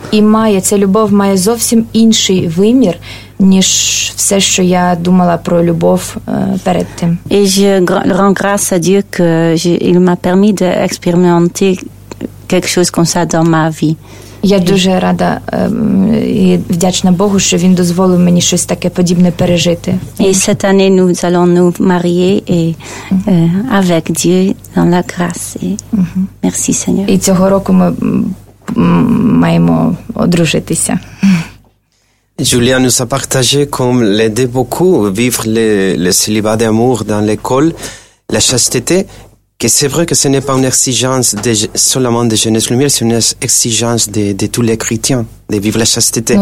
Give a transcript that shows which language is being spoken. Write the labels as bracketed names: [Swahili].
[Ukrainian] І має ця любов має зовсім інший вимір, ніж все, що я думала про любов перед тим. [French] Et je rends grâce à Dieu que il m'a permis d'expérimenter quelque chose comme ça dans ma vie. [Ukrainian] Я дуже рада і вдячна Богу, що він дозволив мені щось таке подібне пережити. І [French] cette année nous allons nous marier avec Dieu dans la grâce. Merci Seigneur. [Ukrainian] І цього року ми маємо одружитися. [French] Julia nous a partagé comme l'aider beaucoup vivre le célibat d'amour dans l'école, la chasteté. Que c'est vrai que ce n'est pas une exigence seulement de Jeunesse Lumière, c'est une exigence de tous les chrétiens, de vivre la chasteté.